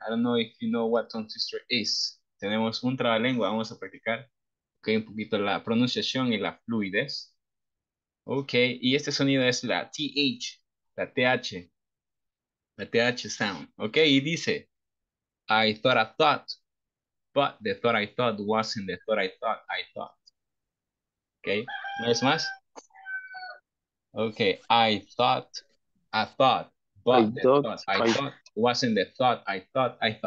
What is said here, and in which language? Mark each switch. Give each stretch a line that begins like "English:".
English: I don't know if you know what tongue twister is.
Spanish: Tenemos un trabalengua, vamos a practicar. Okay, un poquito la pronunciación y la fluidez. Okay, y este sonido es la TH, la TH.
English: A TH sound, okay,
Spanish: y dice,
English: I thought, but the thought I thought wasn't the thought I thought, okay,
Spanish: no es más,
English: okay, I thought, but I the thought, thought wasn't the thought I thought,